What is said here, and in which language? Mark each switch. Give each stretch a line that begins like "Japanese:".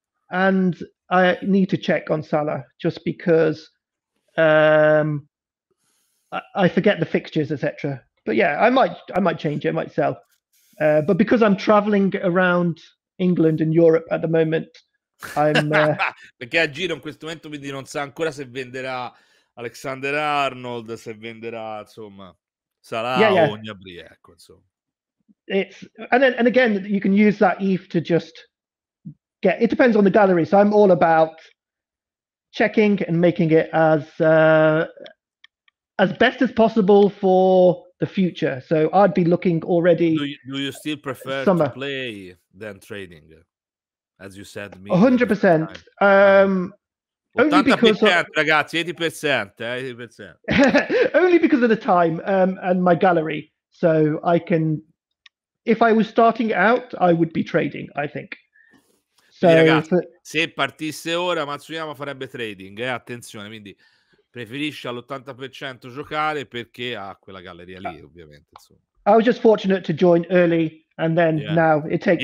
English: And I need to check on Salah, just because I forget the fixtures, etc. But yeah, I might change it, I might sell. But because I'm traveling around England and Europe at the moment,
Italian: perché è a giro in questo momento, quindi non sa ancora se venderà Alexander Arnold, se venderà, insomma, Salah o Gnabry, ecco, insomma.
English: It's, and then, and again, you can use that ETH to just get, it depends on the gallery, so I'm all about checking and making it as best as possible for the future. So I'd be looking already. Do you still prefer summer to play than trading, as you said? 100%. Only because
Italian: ragazzi, 80%, 80%.
English: Only because of the time and my gallery. So I can, if I was starting out, I would be trading, I think.
Italian: So quindi, ragazzi, se partisse ora, Matsuyama farebbe trading, attenzione, quindi preferisce all'80% giocare perché ha quella galleria lì, ovviamente. Insomma.
English: I was just fortunate to join early, and then now it takes...